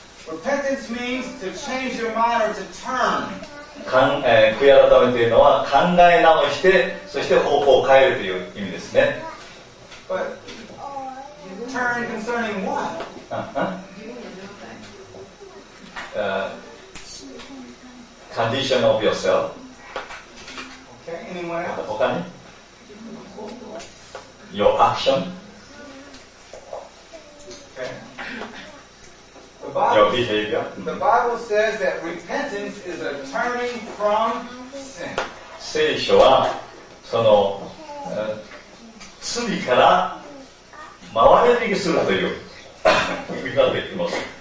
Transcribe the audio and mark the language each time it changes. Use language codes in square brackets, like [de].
[en] Repentance means to change your mind or to turn. [ja] 悔い改めというのは考え直して、そして方向を変えるという意味ですね。 [en] But turn concerning what? Condition of yourself. Okay, anyone else? [ja] 他に？ [en] Your action. Okay. Your behavior. The Bible says that repentance is a turning from sin. [ja] 聖書はその、罪から回れ右するという意味だと言っています。